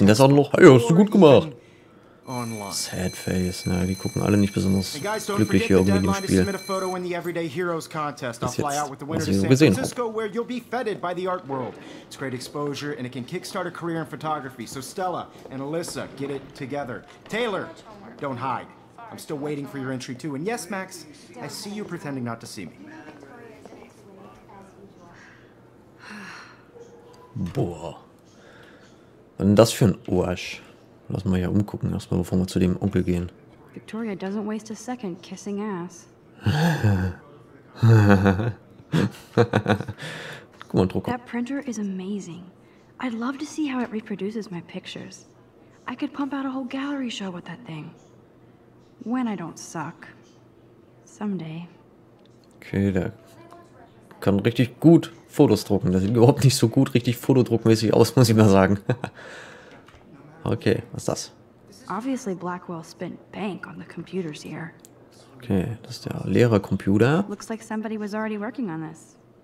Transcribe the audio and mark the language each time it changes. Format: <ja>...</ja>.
<de>Und der ist auch noch, hey, hast du gut gemacht.</de> <en>Sad face.</en> <de>Na, die gucken alle nicht besonders glücklich hier irgendwie im Spiel. Das ist jetzt, was ich so gesehen habe.</de> <en>It's great exposure and it can kickstart a career in photography. So Stella and Alyssa, get it together. Taylor, don't hide. I'm still waiting for your entry too. And yes, Max, I see you pretending not to see me.</en> <de>Boah. Was ist das für ein Arsch? Lass mal hier umgucken, erstmal, bevor wir zu dem Onkel gehen.</de> <en>Victoria doesn't waste a second kissing ass.</en> <de>Guck mal, Drucker.</de> <en>That printer is amazing. I'd love to see how it reproduces my pictures. I could pump out a whole gallery show with that thing. When I don't suck. Someday.</en> <de>Okay, der kann richtig gut Fotos drucken. Der sieht überhaupt nicht so gut richtig fotodruckmäßig aus, muss ich mal sagen. Okay, was ist das?</de> <en>Obviously Blackwell spent bank on the computers here.</en> <de>Okay, das ist der leere Computer.</de> <en>Looks like somebody was already working on this.</en>